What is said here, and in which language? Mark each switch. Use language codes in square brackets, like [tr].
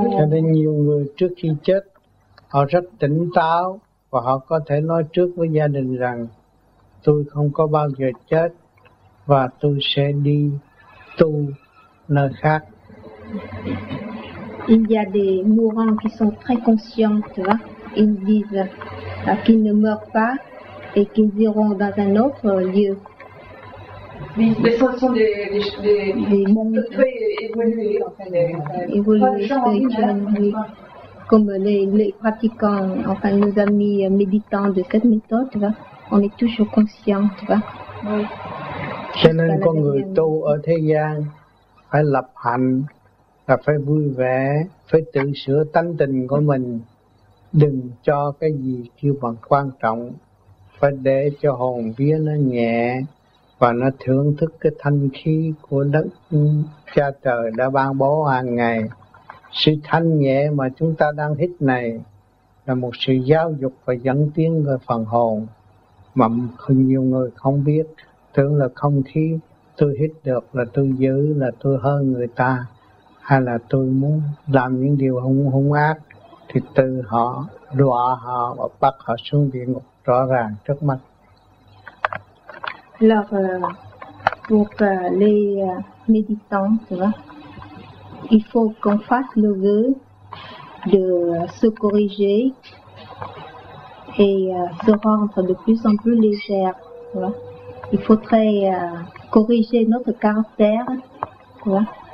[vi] Cho nên nhiều người trước khi chết, họ rất tỉnh táo và họ có thể nói trước với gia đình rằng, tôi không có bao giờ chết và tôi sẽ đi tu nơi khác. [fr] Il y a des mourants qui sont très conscients, tu vois. Ils disent qu'ils ne meurent pas et qu'ils iront dans un autre lieu. Oui, mais ça sont des mondes très évolués, enfin, évolués, comme les pratiquants, enfin, nos amis méditants de cette méthode, tu vois. On est toujours conscients, tu vois. Oui. [vi] Cho nên con người tu ở thế gian phải lập hạnh. Là phải vui vẻ, phải tự sửa tánh tình của mình. Đừng cho cái gì kêu bằng quan trọng. Phải để cho hồn vía nó nhẹ và nó thưởng thức cái thanh khí của đất cha trời đã ban bố hàng ngày. Sự thanh nhẹ mà chúng ta đang hít này là một sự giáo dục và dẫn tiến về phần hồn mà nhiều người không biết. Tưởng là không khí tôi hít được là tôi giữ, là tôi hơn người ta, hay là tôi muốn làm những điều hung ác, thì từ họ đọa họ và bắt họ xuống địa ngục rõ ràng trước mắt. [fr] Alors pour les méditants, tu vois, il faut qu'on fasse le vœu de se corriger et se rendre de plus en plus légère. Tu vois, il faudrait corriger notre caractère, tu vois.